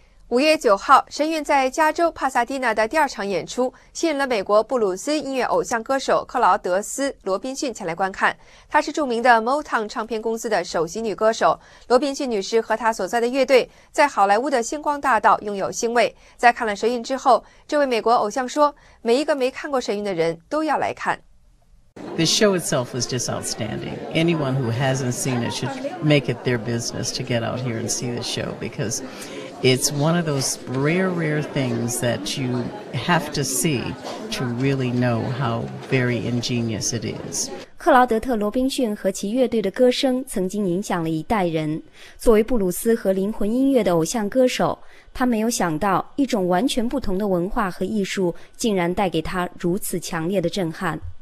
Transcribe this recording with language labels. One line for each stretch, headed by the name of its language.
Chinese: 5月9号，神韵在加州帕萨迪纳的第二场演出吸引了美国布鲁斯音乐偶像歌手克劳德斯·罗宾逊前来观看。她是著名的 Motown 唱片公司的首席女歌手。罗宾逊女士和她所在的乐队在好莱坞的星光大道拥有星位。在看了神韵之后，这位美国偶像说，每一个没看过神韵的人都要来看。
English: The show itself was just outstanding. Anyone who hasn't seen it should make it their business to get out here and see the show because it's one of those rare, rare things that you have to see to really know how very ingenious it is.
Chinese: 克劳德特·罗宾逊和其乐队的歌声曾经影响了一代人。作为布鲁斯和灵魂音乐的偶像歌手，他没有想到一种完全不同的文化和艺术竟然带给他如此强烈的震撼。